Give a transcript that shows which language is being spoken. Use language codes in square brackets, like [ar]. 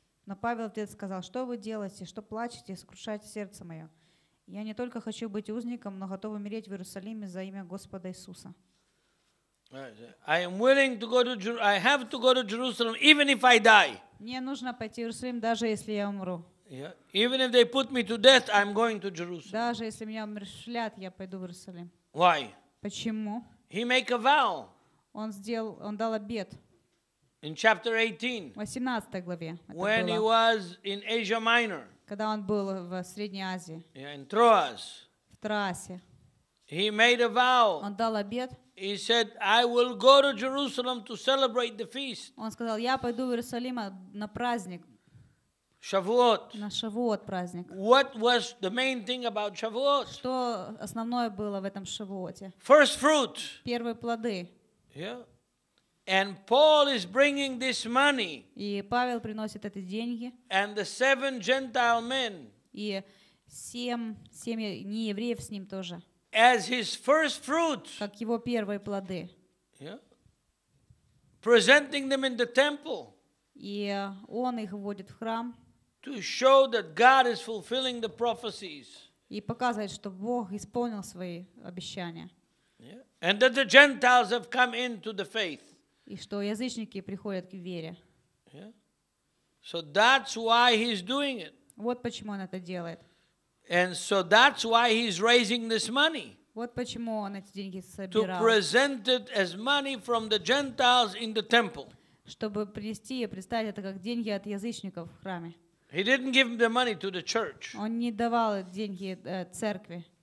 [ru] Но Павел ответ сказал, что вы делаете, что плачете, сокрушаете сердце мое. Я не только хочу быть узником, но готов умереть в Иерусалиме за имя Господа Иисуса. [en] I am willing to go to I have to go to Jerusalem even if I die. [ru] Мне нужно пойти в Иерусалим, даже если я умру. [en] Yeah. Even if they put me to death, I'm going to Jerusalem. [ru] Даже если меня умершвлят, я пойду в Иерусалим. [en] Why? [ru] Почему? [en] He make a vow. [ru] Он сделал, он дал обет. [en] In chapter 18. [ru] В 18 главе. [en] When he was in Asia Minor. [ru] Когда он был в Средней Азии. [en] Yeah, in Troas. [ru] В Троасе. [en] He made a vow. [ru] Он дал обет. [en] He said, "I will go to Jerusalem to celebrate the feast." [ru] Он сказал, я пойду в Иерусалим на праздник. Шавуот. На Шавуот праздник. [en] What was the main thing about Shavuot? [ru] Что основное было в этом Шавуоте? [en] First fruit. [ru] Первые плоды. [en] Yeah. And Paul is bringing this money. [ru] И Павел приносит эти деньги. [en] And the seven Gentile men. [ru] И семь неевреев с ним тоже. [en] As his first fruits. [ru] Как его первые плоды. [en] Yeah. Presenting them in the temple. [ru] И он их вводит в храм. [en] To show that God is fulfilling the prophecies. [ru] И показывать, что Бог исполнил свои обещания. [en] Yeah. And that the Gentiles have come into the faith. [ru] И что язычники приходят к вере. [en] So that's why he's doing it. [ru] Вот почему он это делает. [en] And so that's why he's raising this money. [ru] Вот почему он эти деньги собирал. [en] To present it as money from the Gentiles in the temple. [ru] Чтобы принести и представить это как деньги от язычников в храме. [en] He didn't give the money to the church. [ru] Он не давал деньги церкви.